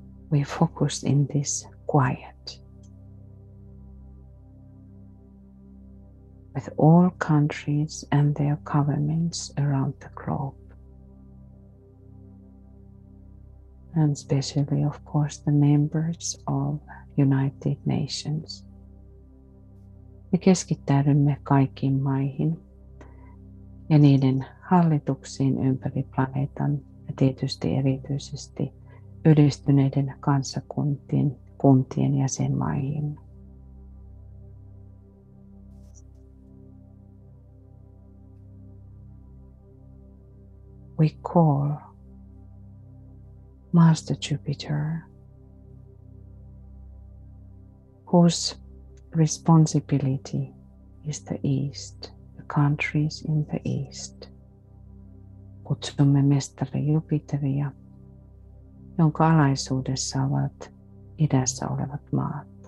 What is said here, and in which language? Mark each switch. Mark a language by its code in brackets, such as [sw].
[en] We focus in this quiet with all countries and their governments around the globe, and especially, of course, the members of United Nations. [fi] Me keskittäydymme kaikkiin maihin ja niiden hallituksiin ympäri planeetan ja tietysti erityisesti Yhdistyneiden kansakuntien jäsenmaihin. [en] We call Master Jupiter, whose responsibility is the East, the countries in the East. [fi] Kutsumme mestari Jupiteria, jonka alaisuudessa ovat idässä olevat maat.